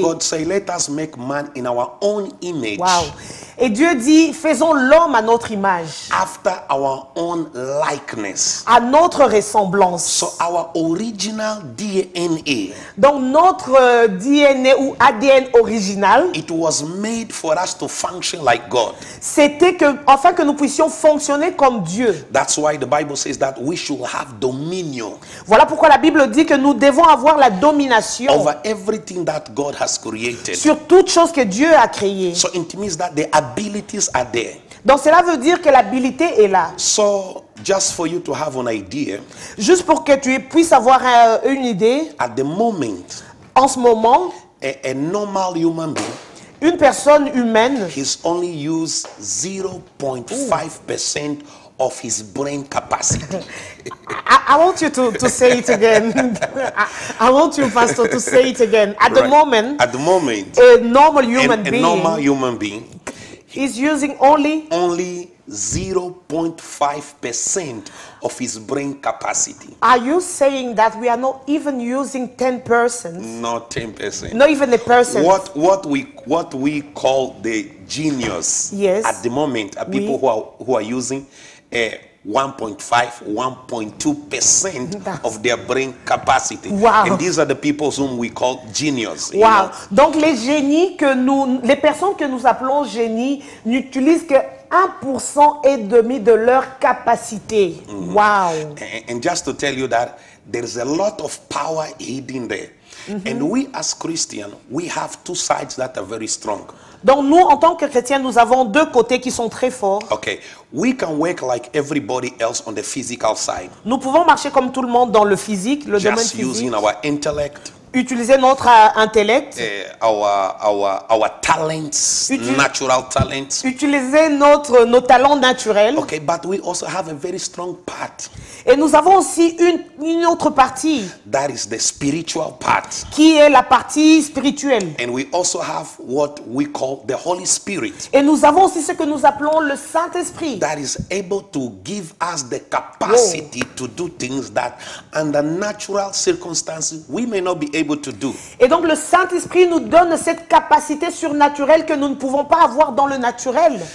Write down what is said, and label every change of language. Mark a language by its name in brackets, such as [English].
[English] God said, "Let us make man in our own image." Wow. [French] Et Dieu dit, faisons l'homme à notre image. [English] After our own likeness. [French] À notre ressemblance. [English] So our original DNA. [French] Donc notre DNA ou ADN original. [English] It was made for us to function like God. [French] C'était que afin que nous puissions fonctionner comme Dieu. [English] That's why the Bible says that we should have dominion. [French] Voilà pourquoi la Bible dit que nous devons avoir la domination [English] over everything that God has created. [French] Sur toute chose que Dieu a créée. [English] So it means that the abilities are there. [French] Donc cela veut dire que l'habilité est là. [English] So just for you to have an idea. [French] Juste pour que tu puisses avoir une idée. [English] At the moment. [French] En ce moment. [English] A normal human being. [French] Une personne humaine. [English] He's only used 0.5% of his brain capacity. I want you to say it again. I want you, Pastor, to say it again. At the moment. A normal human being. He's using only. Only 0.5% of his brain capacity. Are you saying that we are not even using 10%? Not 10%. Not even a person. What we call the genius. Yes. At the moment, are people who are using 1.5-1.2% of their brain capacity. Wow. And these are the people whom we call genius. Wow. You know? [French] Donc les génies que nous, les personnes que nous appelons génies n'utilisent que 1% et demi de leur capacité. Mm-hmm. Wow. [English] And just to tell you that there is a lot of power hidden there. Mm-hmm. And we as Christians, we have two sides that are very strong. [French] Donc nous, en tant que chrétiens, nous avons deux côtés qui sont très forts. [English] Okay. We can work like everybody else on the physical side. [French] Nous pouvons marcher comme tout le monde dans le physique, le [English] just [French] domaine physique. [English] Using our intellect. [French] Utiliser notre intellect. [English] Our talents, natural talents. [French] Utiliser nos talents naturels. [English] Okay, but we also have a very strong part. [French] Et nous avons aussi une autre partie. [English] That is the spiritual part. [French] Qui est la partie spirituelle. [English] And we also have what we call the Holy Spirit. [French] Et nous avons aussi ce que nous appelons le Saint-Esprit. [English] That is able to give us the capacity to do things that under natural circumstances we may not be able to do. [French] Et donc le Saint-Esprit nous donne cette capacité surnaturelle que nous ne pouvons pas avoir dans le naturel.